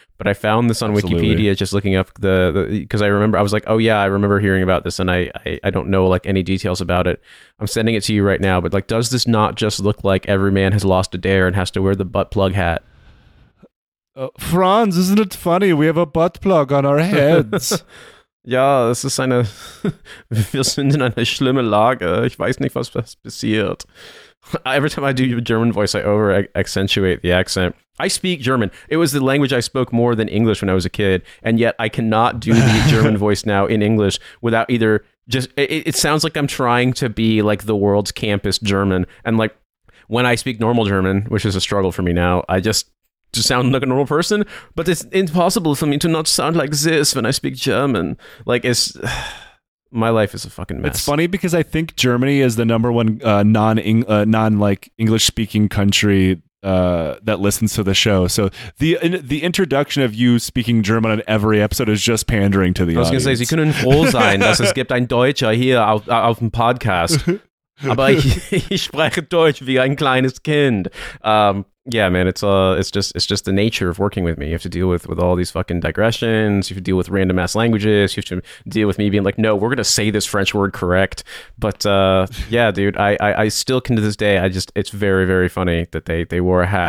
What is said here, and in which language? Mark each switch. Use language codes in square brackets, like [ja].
[en] But I found this on Wikipedia just looking up the because I remember, I was like, oh yeah, I remember hearing about this, and I don't know like any details about it. I'm sending it to you right now, but like, does this not just look like every man has lost a dare and has to wear the butt plug hat? Franz, isn't it funny? We have a butt plug on our heads. Yeah, this is [de] eine, wir sind in eine schlimme Lage. Ich weiß nicht, was passiert. [en] Every time I do a German voice, I over-accentuate the accent. I speak German. It was the language I spoke more than English when I was a kid, and yet I cannot do the German voice now in English without either just... It sounds like I'm trying to be, like, the world's campus German, and, like, when I speak normal German, which is a struggle for me now, I just... to sound like a normal person, but it's impossible for me to not sound like this when I speak German. Like, it's... my life is a fucking mess. It's funny because I think Germany is the number one non-like English-speaking country that listens to the show. So the introduction of you speaking German on every episode is just pandering to the audience. I was going to say, [de] Sie können froh sein, dass es gibt ein Deutscher hier auf dem Podcast. Aber ich spreche Deutsch wie ein kleines Kind. [en] Yeah, man, it's just the nature of working with me. You have to deal with all these fucking digressions. You have to deal with random ass languages. You have to deal with me being like, no, we're gonna say this French word correct. But yeah, dude, I still can to this day. It's very, very funny that they wore a hat.